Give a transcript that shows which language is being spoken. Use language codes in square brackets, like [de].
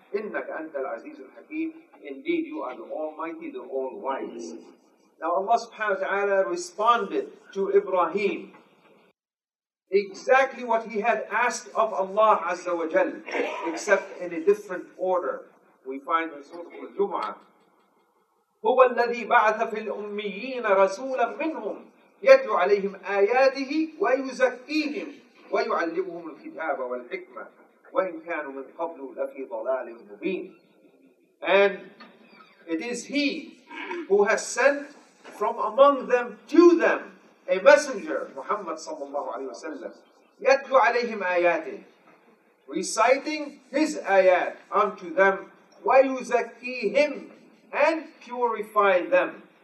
[ar] إِنَّكَ أَنْتَ الْعَزِيزُ الْحَكِيمُ, [en] indeed you are the Almighty, the All-Wise. Now Allah subhanahu wa ta'ala responded to Ibrahim exactly what he had asked of Allah Azza wa Jal, except in a different order. We find in Surah Al-Jum'ah, [ar] هُوَ الَّذِي بَعَثَ فِي الْأُمِّيِّينَ رَسُولًا مِّنْهُمْ يَتْلُ عَلَيْهِمْ آيَاتِهِ وَيُزَكِّيهِمْ وَيُعَلِّمُهُمُ الْكِتَابَ وَالْحِكْمَةِ وَإِنْ كَانُوا مِنْ قَبْلُ لَفِي ضَلَالٍ مُّبِينٍ. [en] And it is He who has sent from among them to them a messenger, Muhammad sallallahu alayhi wa sallam, [ar] يَتْلُ عَلَيْهِمْ آيَاتِهِ, [en] reciting His ayat unto them, [ar] وَيُزَكِّيهِمْ, [en] and purify them.